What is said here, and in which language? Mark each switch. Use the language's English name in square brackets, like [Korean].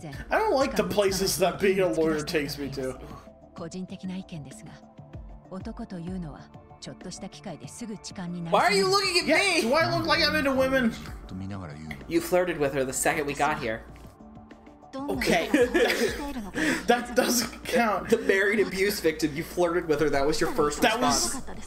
[English] I don't like the places that being a lawyer takes me to. [Japanese] 個人的な意見ですが、男というのはちょっとした機会ですぐ痴漢になる。 [English] Why are you looking at me? Yeah, do I look like I'm into women? You flirted with her the second we got here. Okay. That doesn't count. The married abuse victim, you flirted with her, that was your first response.